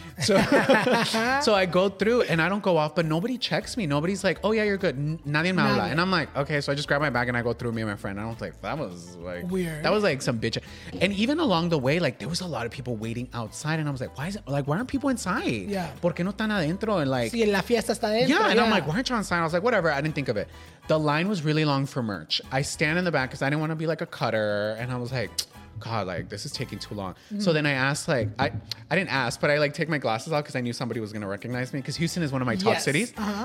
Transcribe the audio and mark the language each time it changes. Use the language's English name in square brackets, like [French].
[English] So, so I go through and I don't go off, but nobody checks me. Nobody's like, oh, yeah, you're good. [Spanish] Nadie me habla. [English] And I'm like, okay. So I just grab my bag and I go through, me and my friend. I was like, that was like weird. That was like some bitch. And even along the way, like there was a lot of people waiting outside. And I was like, why aren't people inside? Yeah. [Spanish] ¿Por qué no están adentro? [English] And like, [Spanish] sí, la fiesta está adentro. [English] Yeah. And I'm like, why aren't you inside? I was like, whatever. I didn't think of it. The line was really long for merch. I stand in the back because I didn't want to be like a cutter. And I was like, God, like this is taking too long. Mm-hmm. So then I asked, like, I didn't ask, but I like take my glasses off because I knew somebody was going to recognize me because Houston is one of my top cities. Uh-huh.